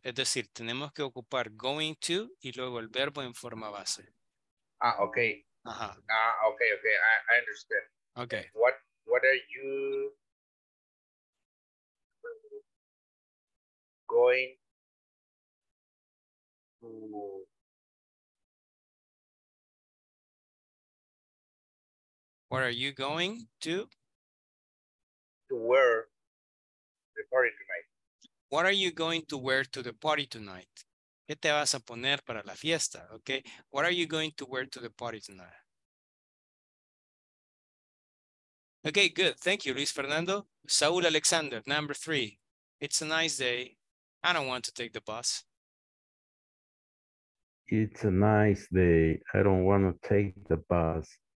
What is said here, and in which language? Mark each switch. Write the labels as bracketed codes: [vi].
[es] Es decir, tenemos que ocupar going to y luego el verbo en forma base. [en] Ah, okay. Ajá. Ah, okay, okay. I understand. Okay. What are you going to wear the party tonight? What are you going to wear to the party tonight? [es] ¿Qué te vas a poner para la fiesta? [en] Okay. What are you going to wear to the party tonight? Okay, good. Thank you, Luis Fernando. Saul Alexander, number three. It's a nice day. I don't want to take the bus. It's a nice day. I don't want to take the bus.